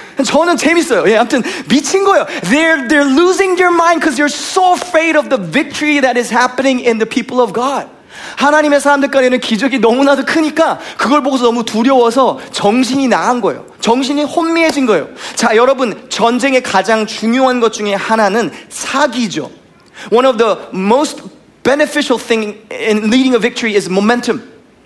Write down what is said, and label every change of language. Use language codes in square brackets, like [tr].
[ko] 저는 재밌어요. 예, 아무튼 미친 거예요. [en] They're losing their mind because they're so afraid of the victory that is happening in the people of God. [ko] 하나님의 사람들까지는 기적이 너무나도 크니까 그걸 보고서 너무 두려워서 정신이 나간 거예요. 정신이 혼미해진 거예요. 자, 여러분, 전쟁의 가장 중요한 것 중에 하나는 사기죠. [en] One of the most beneficial thing in leading a victory is momentum.